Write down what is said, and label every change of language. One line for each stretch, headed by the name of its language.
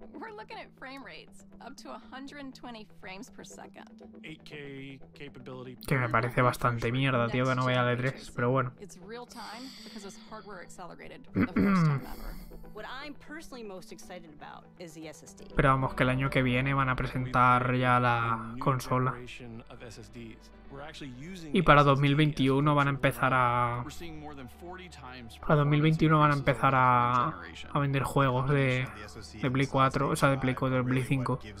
English: We're looking at frame rates up to 120 frames per second. 8K capability.
Spanish: Que me parece bastante mierda, tío, que no vaya al E3, pero bueno.
English: It's real time because it's hardware accelerated for the first time ever. What I'm personally most excited about is the SSD.
Spanish: Pero vamos, que el año que viene van a presentar ya la consola. Y para 2021 van a empezar a vender juegos de Play 4, o sea, de Play 4, de Play 5.